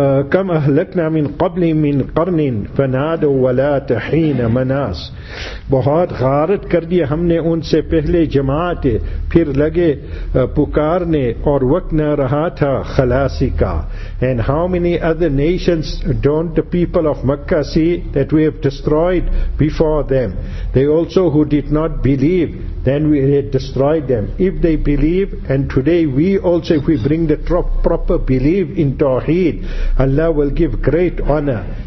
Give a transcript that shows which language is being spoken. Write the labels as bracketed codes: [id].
[ar] كم أهلكنا من قبل من قرن فنادوا ولا تحين مناس. [ur] بہت غارت کر دیا ہم نے ان سے پہلے جماعت, پھر لگے پکارنے اور وقت نہ رہا تھا خلاصی کا. [en] And how many other nations don't the people of Makkah see that we have destroyed before them? They also who did not believe, then we had destroyed them. If they believe, and today we also, if we bring the proper belief in Tawheed, Allah will give great honor.